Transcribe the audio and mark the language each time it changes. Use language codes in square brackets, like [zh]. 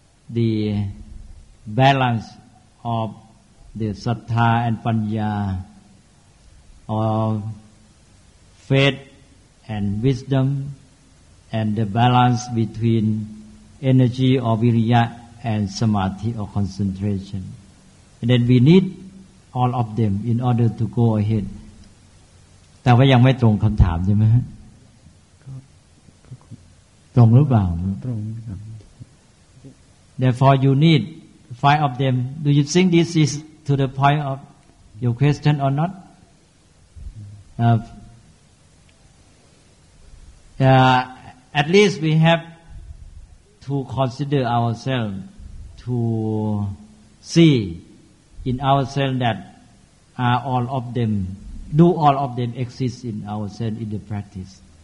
[en] the balance of the sattha and panya, of faith and wisdom, and the balance between energy or viriya and samadhi or concentration. And then we need all of them in order to go ahead. [th] แต่ว่ายังไม่ตรงคำถามใช่ไหมฮะตรงหรือเปล่า ตรง [en] Therefore you need five of them. Do you think this is to the point of your question or not? At least we have to consider ourselves, to see in ourselves that are all of them, do all of them exist in ourselves in the practice.